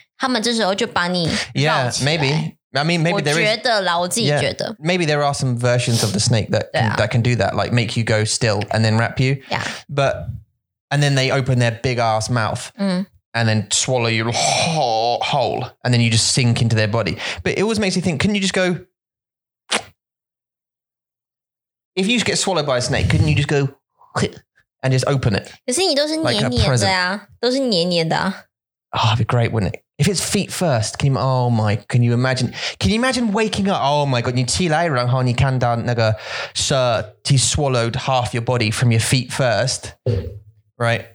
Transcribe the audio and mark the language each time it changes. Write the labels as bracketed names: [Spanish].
[Chinese] 他们这时候就把你绕起来。 [English] Yeah, maybe. I mean, maybe there is. [Chinese] 我觉得啦，我自己觉得。 [English] Yeah, maybe there are some versions of the snake that can do that, like make you go still and then wrap you. Yeah. But and then they open their big ass mouth. And then swallow your whole, and then you just sink into their body. But it always makes me think, can you just go, if you just get swallowed by a snake, couldn't you just go, and just open it? [Chinese] 可是你都是黏黏的啊，都是黏黏的。 [English] Oh, it'd be great, wouldn't it? If it's feet first, can you imagine waking up, oh my God, [Chinese] 你起来然后你看到那个蛇, [English] he swallowed half your body from your feet first, right?